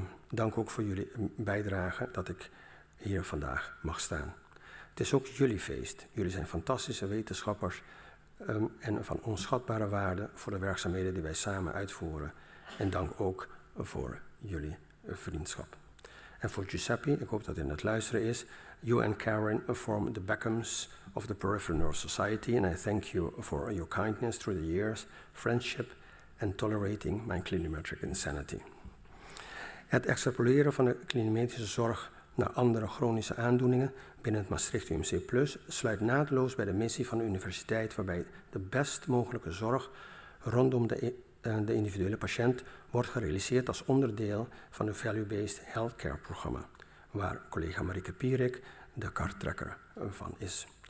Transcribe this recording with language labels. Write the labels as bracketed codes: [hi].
[nl] Dank ook voor jullie bijdrage dat ik hier vandaag mag staan. Het is ook jullie feest. Jullie zijn fantastische wetenschappers en van onschatbare waarde voor de werkzaamheden die wij samen uitvoeren. En dank ook voor jullie vriendschap. En voor Giuseppe, ik hoop dat hij aan het luisteren is. [en] You and Karen form the Beckhams of the Peripheral Nerve Society. And I thank you for your kindness through the years, friendship and tolerating my clinometric insanity. [nl] Het extrapoleren van de klinometrische zorg naar andere chronische aandoeningen binnen het Maastricht UMC Plus sluit naadloos bij de missie van de universiteit, waarbij de best mogelijke zorg rondom de individuele patiënt wordt gerealiseerd als onderdeel van het Value-Based Healthcare programma, waar collega Marieke Pierik de karttrekker van is.